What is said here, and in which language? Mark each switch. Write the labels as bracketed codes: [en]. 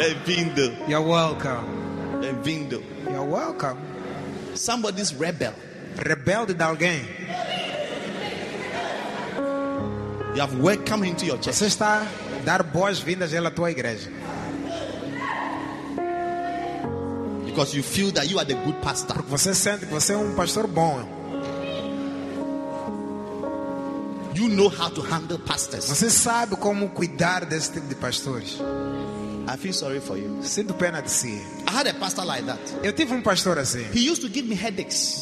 [pt] bem-vindo, [en] you're welcome, [pt] bem-vindo, [en] you're welcome. Somebody's rebel, [pt] rebel de alguém. [en] You have welcome into your church. [pt] Você está dar boas-vindas à tua igreja. [en] Because you feel that you are the good pastor. [pt] Porque você sente que você é pastor bom. [en] You know how to handle pastors. [pt] Você sabe como cuidar desse tipo de pastores. [en] I feel sorry for you. [pt] Sinto pena de si. [en] I had a pastor like that. [pt] Eu tive pastor assim. [en] He used to give me headaches.